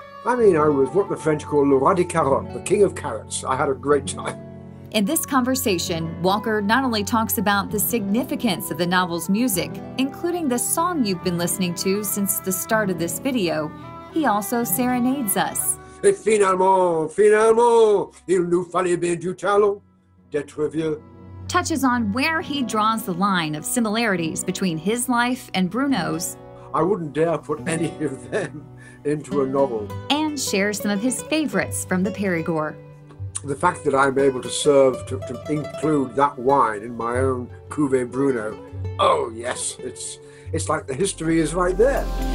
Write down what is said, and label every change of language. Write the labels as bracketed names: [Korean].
[English] I mean, I was what the French call [French] le roi des carottes, [English] the king of carrots. I had a great time. In this conversation, Walker not only talks about the significance of the novel's music, including the song you've been listening to since the start of this video, he also serenades us. [French] Et finalement, il nous fallait bien du talent d'être vieux. [English] Touches on where he draws the line of similarities between his life and Bruno's. I wouldn't dare put any of them into a novel. And shares some of his favorites from the Perigord. The fact that I'm able to serve to include that wine in my own cuvée Bruno, oh yes, it's like the history is right there.